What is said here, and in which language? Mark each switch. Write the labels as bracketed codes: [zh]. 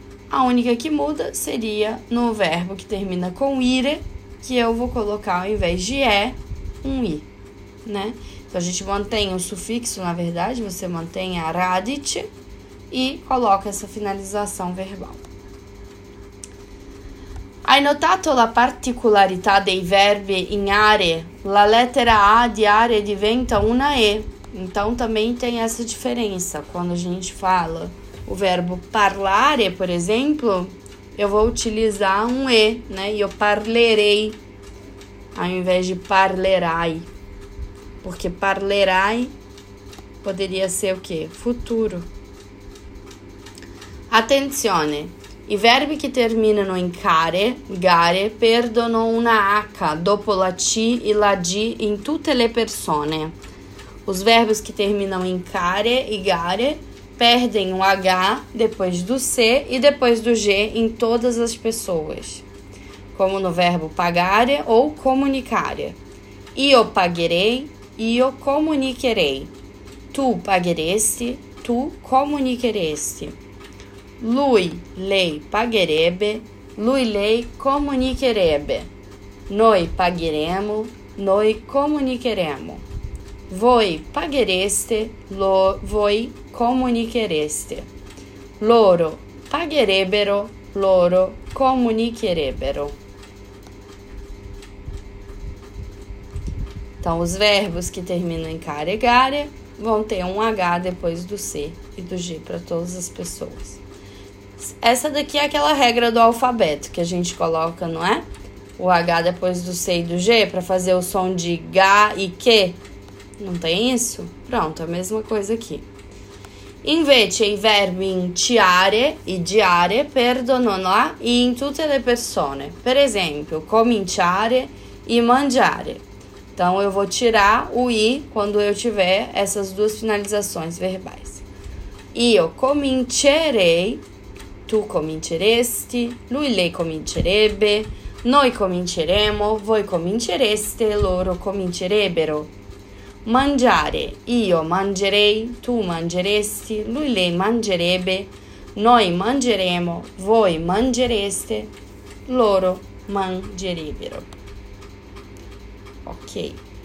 [pt] A única que muda seria no verbo que termina com ire, que eu vou colocar, ao invés de é, um i, né? Então, a gente mantém o sufixo, na verdade, você mantém a radit e coloca essa finalização verbal. [it] Hai notato la particolarità dei verbi in are? La lettera A di are diventa una E. [pt] Então, também tem essa diferença. Quando a gente fala o verbo parlare, por exemplo, eu vou utilizar um E, né? E eu parlerei, ao invés de parlerai. Porque parlerai poderia ser o quê? Futuro. [it] Attenzione! I verbi che terminano in care, gare, perdono una H dopo la T e la D in tutte le persone. [pt] Os verbos que terminam em care e gare perdem o H depois do C e depois do G em todas as pessoas. Como no verbo pagare ou comunicare. [it] Io pagherei, io comunicherei. Tu pagheresti, tu comunicheresti. Lui, lei, pagherebbe, lui, lei, comunicherebbe. Noi pagheremo, noi comunicheremo. Voi paghereste, voi comunichereste. Loro pagherebbero, loro comunicherebbero. [pt] Então, os verbos que terminam em caregare vão ter um H depois do C e do G para todas as pessoas. Essa daqui é aquela regra do alfabeto que a gente coloca, não é? O H depois do C e do G para fazer o som de G e Q. Não tem isso? Pronto, a mesma coisa aqui. [it] Invece, i verbi in tiare e diare perdono lá e in tutte le persone. Per esempio, cominciare e mangiare. [pt] Então, eu vou tirar o I quando eu tiver essas duas finalizações verbais. [it] Io comincerei. Tu cominceresti, lui, lei comincerebbe, noi cominceremo, voi comincereste, loro comincerebbero. Mangiare, io mangerei, tu mangeresti, lui, lei mangerebbe, noi mangeremo, voi mangereste, loro mangerebbero. Ok.